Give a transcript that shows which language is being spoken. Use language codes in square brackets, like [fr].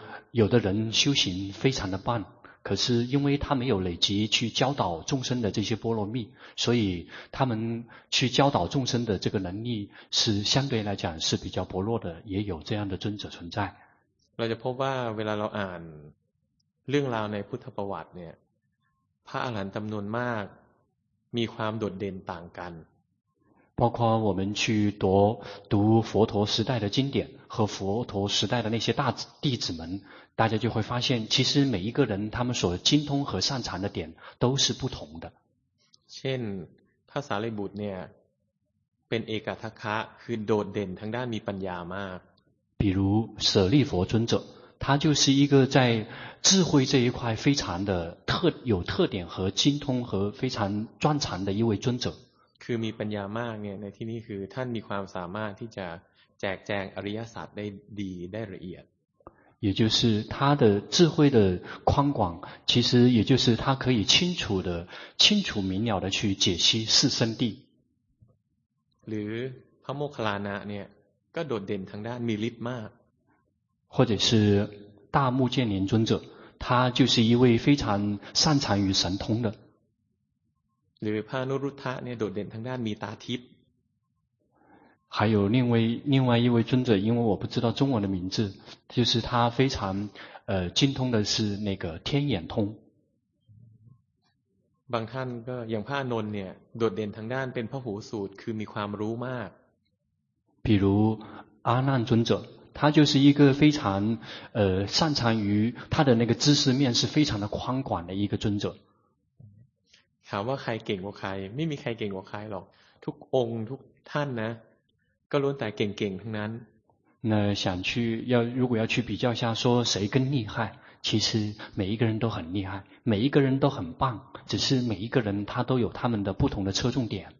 [zh] 有的人修行非常的棒可是因为他没有累积去教导众生的这些波罗蜜所以他们去教导众生的这个能力是相对来讲是比较薄弱的也有这样的尊者存在 [th] เราจะพบว่าเวลาเราอ่านเรื่องราวในพุทธประวัติเนี่ยพระอรหันต์จำนวนมากมีความโดดเด่นต่างกัน [zh] 包括我们去读佛陀时代的经典和佛陀时代的那些大弟子们大家就会发现其实每一个人他们所精通和擅长的点都是不同的 [th] เช่นพระสารีบุตรเนี่ยเป็นเอกัทคะคือโดดเด่นทางด้านมีปัญญามาก [zh] 比如舍利佛尊者他就是一个在智慧这一块非常的有特点和精通和非常专长的一位尊者 [th] คือมีปัญญามากเนี่ยในที่นี้คือท่านมีความสามารถที่จะแจกแจงอริยสัจได้ดีได้ละเอียด [zh] 也就是他的智慧的宽广其实也就是他可以清楚明了的去解析四圣谛 [th] หรือพระโมคคัลลานะเนี่ยก็โดดเด่นทางด้านมีฤทธิ์มาก [zh] 或者是大目犍连尊者他就是一位非常擅长于神通的 [th] หรือพระอนุรุทธะเนี่ยโดดเด่นทางด้านมีตาทิพย์ [zh] 还有另外一位尊者因为我不知道中文的名字就是他非常精通的是那个天眼通 [th] บางท่านก็อย่างพระอนนท์เนี่ยโดดเด่นทางด้านเป็นพหูสูตรคือมีความรู้มาก [zh] 比如阿难尊者他就是一个非常擅长于他的那个知识面是非常的宽广的一个尊者 [th] ถามว่าใครเก่งกว่าใครไม่มีใครเก่งกว่าใครหรอกทุกองค์ทุกท่านนะก็ล้วนแต่เก่งๆทั้งนั้น [zh] 那想去要如果要去比较下说谁更厉害其实每一个人都很厉害每一个人都很棒只是每一个人他都有他们的不同的侧重点